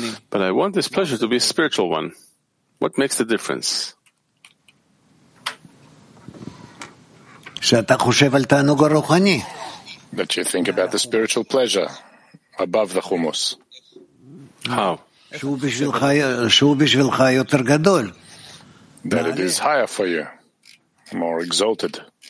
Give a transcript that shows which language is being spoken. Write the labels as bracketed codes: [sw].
[en] But I want this pleasure to be a spiritual one. What makes the difference? [he] שאתה חושב על תענוג הרוחני. [en] That you think about the spiritual pleasure above the hummus. How? [he] שהוא בשבילך יותר גדול. [en] That it is higher for you. More exalted.